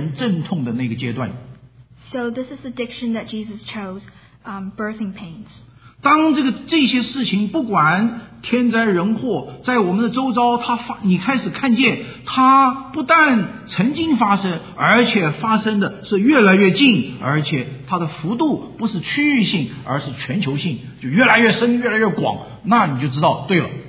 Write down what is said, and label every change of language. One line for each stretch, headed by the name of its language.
Chinese: 就这个世界有一天会进入叫做妇人阵痛的那个阶段。
English: So this is the diction that Jesus chose, birthing pains.
Chinese: 当这个这些事情不管天灾人祸在我们的周遭它发，你开始看见它不但曾经发生，而且发生的是越来越近，而且它的幅度不是区域性，而是全球性，就越来越深，越来越广，那你就知道对了。